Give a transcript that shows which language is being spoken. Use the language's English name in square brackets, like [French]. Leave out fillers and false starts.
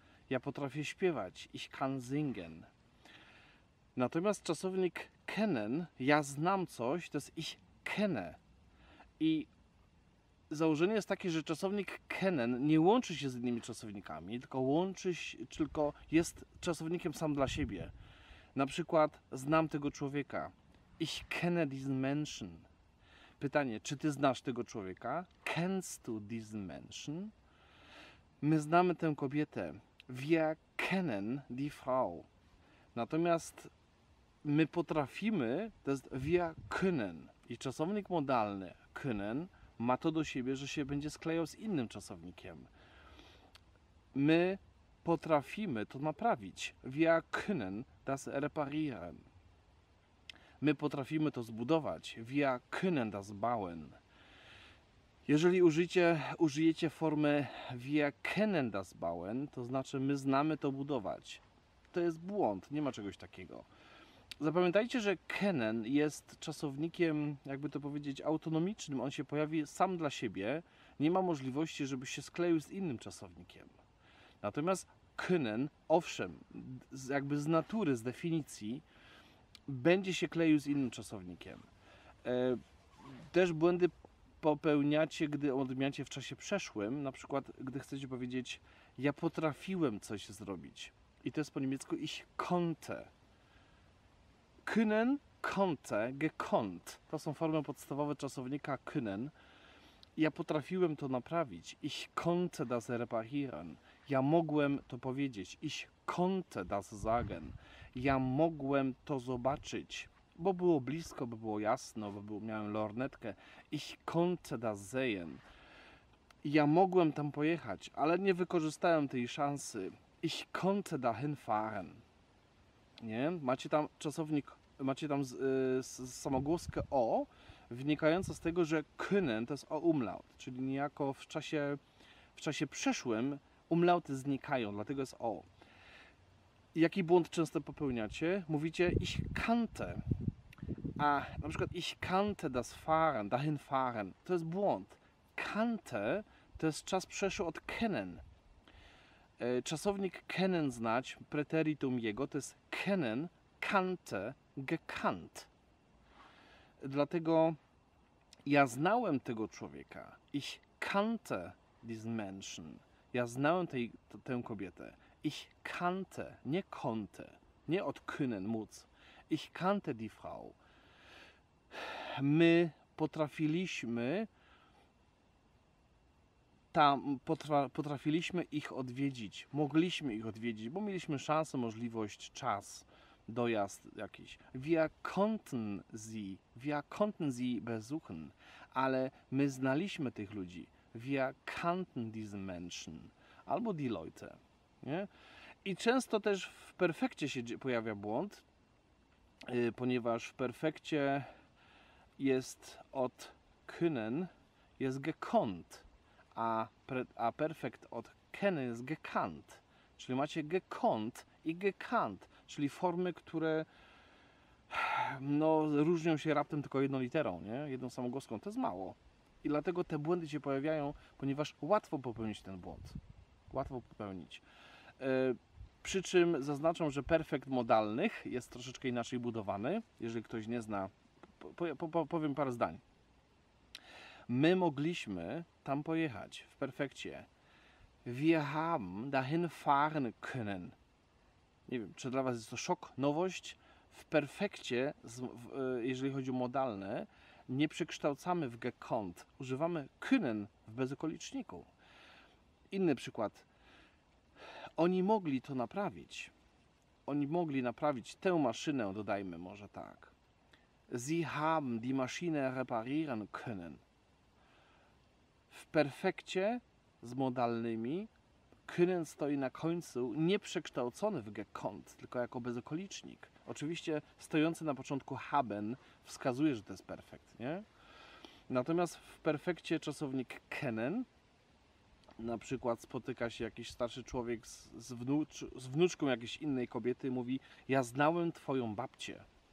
[Polish] Ja potrafię śpiewać. [German] Ich kann singen. [Polish] Natomiast czasownik kennen, ja znam coś, to jest [German] ich kenne. [Polish] I założenie jest takie, że czasownik kennen nie łączy się z innymi czasownikami, tylko jest czasownikiem sam dla siebie. Na przykład znam tego człowieka. [German] Ich kenne diesen Menschen. [Polish] Pytanie, czy ty znasz tego człowieka? [German] Kennst du diesen Menschen? [Polish] My znamy tę kobietę. [German] Wir kennen die Frau. [Polish] Natomiast my potrafimy, to jest [German] wir können. [Polish] I czasownik modalny können ma to do siebie, że się będzie sklejał z innym czasownikiem. My potrafimy to naprawić. [German] Wir können das reparieren. [Polish] My potrafimy to zbudować. [German] Wir können das bauen. [Polish] Jeżeli użyjecie formy [German] wir können das bauen, [Polish] to znaczy my znamy to budować. To jest błąd, nie ma czegoś takiego. Zapamiętajcie, że kennen jest czasownikiem, jakby to powiedzieć, autonomicznym. On się pojawi sam dla siebie. Nie ma możliwości, żeby się skleił z innym czasownikiem. Natomiast können, owszem, jakby z natury, z definicji, będzie się kleił z innym czasownikiem. Też błędy popełniacie, gdy odmieniacie w czasie przeszłym. Na przykład, gdy chcecie powiedzieć, ja potrafiłem coś zrobić. I to jest po niemiecku [German] ich konnte. [Polish] Können, konnte, gekonnt. To są formy podstawowe czasownika können. Ja potrafiłem to naprawić. [German] Ich konnte das reparieren. [Polish] Ja mogłem to powiedzieć. [German] Ich konnte das sagen. [Polish] Ja mogłem to zobaczyć. Bo było blisko, bo było jasno, bo miałem lornetkę. [German] Ich konnte das sehen. [Polish] Ja mogłem tam pojechać, ale nie wykorzystałem tej szansy. [German] Ich konnte dahin fahren. [Polish] Nie? Macie tam czasownik, macie tam samogłoskę o, wynikającą z tego, że können to jest o umlaut, czyli niejako w czasie przeszłym umlauty znikają, dlatego jest o. Jaki błąd często popełniacie? Mówicie [German] ich kannte, [Polish] a na przykład [German] ich kannte das fahren, dahin fahren, [Polish] to jest błąd. Kannte to jest czas przeszły od kennen. Czasownik kennen znać, preteritum jego, to jest kennen, kannte, gekannt. Dlatego ja znałem tego człowieka. [German] Ich kannte diesen Menschen. [Polish] Ja znałem tę kobietę. [German] Ich kannte, [Polish] nie konnte, nie od können, móc. [German] Ich kannte die Frau. [Polish] My potrafiliśmy tam potrafiliśmy ich odwiedzić, mogliśmy ich odwiedzić, bo mieliśmy szansę, możliwość, czas, dojazd jakiś. [German] Wir konnten sie besuchen, [Polish] ale my znaliśmy tych ludzi. [German] Wir kannten diese Menschen, [Polish] albo [German] die Leute. [Polish] Nie? I często też w perfekcie się pojawia błąd, ponieważ w perfekcie jest od können, jest gekonnt. A perfekt od kennen jest gekannt. Czyli macie gekonnt i gekannt. Czyli formy, które no, różnią się raptem tylko jedną literą, nie? Jedną samogłoską. To jest mało. I dlatego te błędy się pojawiają, ponieważ łatwo popełnić ten błąd. Łatwo popełnić. Przy czym zaznaczam, że perfekt modalnych jest troszeczkę inaczej budowany. Jeżeli ktoś nie zna, powiem parę zdań. My mogliśmy tam pojechać w perfekcie. [German] Wir haben dahin fahren können. [Polish] Nie wiem, czy dla Was jest to szok, nowość. W perfekcie, jeżeli chodzi o modalne, nie przekształcamy w gekonnt. Używamy können w bezokoliczniku. Inny przykład. Oni mogli to naprawić. Oni mogli naprawić tę maszynę, dodajmy może tak. [German] Sie haben die Maschine reparieren können. [Polish] W perfekcie z modalnymi können stoi na końcu nieprzekształcony w gekonnt, tylko jako bezokolicznik. Oczywiście stojący na początku haben wskazuje, że to jest perfekt, nie? Natomiast w perfekcie czasownik können, na przykład spotyka się jakiś starszy człowiek z wnuczką jakiejś innej kobiety i mówi: ja znałem twoją babcię.